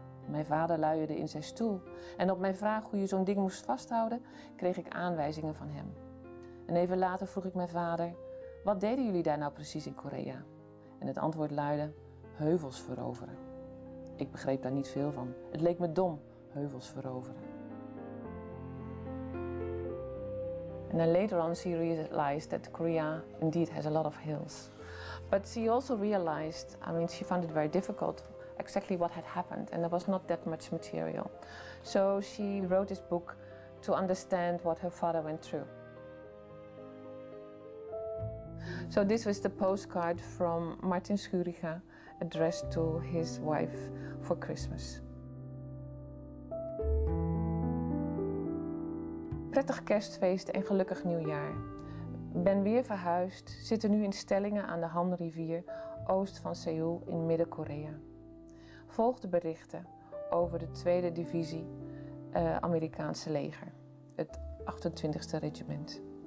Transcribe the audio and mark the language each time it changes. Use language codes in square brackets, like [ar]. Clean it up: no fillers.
[nl] Mijn vader luierde in zijn stoel en op mijn vraag hoe je zo'n ding moest vasthouden, kreeg ik aanwijzingen van hem. En even later vroeg ik mijn vader, wat deden jullie daar nou precies in Korea? En het antwoord luidde, heuvels veroveren. Ik begreep daar niet veel van. Het leek me dom, heuvels veroveren. [en] And then later on, she realized that Korea indeed has a lot of hills. But she also realized, I mean, she found it very difficult exactly what had happened, and there was not that much material. So she wrote this book to understand what her father went through. So this was the postcard from Martin Schuriga addressed to his wife for Christmas. [nl] Prettig kerstfeest en gelukkig nieuwjaar. Ben weer verhuisd, zitten nu in stellingen aan de Hanrivier oost van Seoul in Midden-Korea. Volgde berichten over de 2e divisie Amerikaanse leger, het 28e regiment.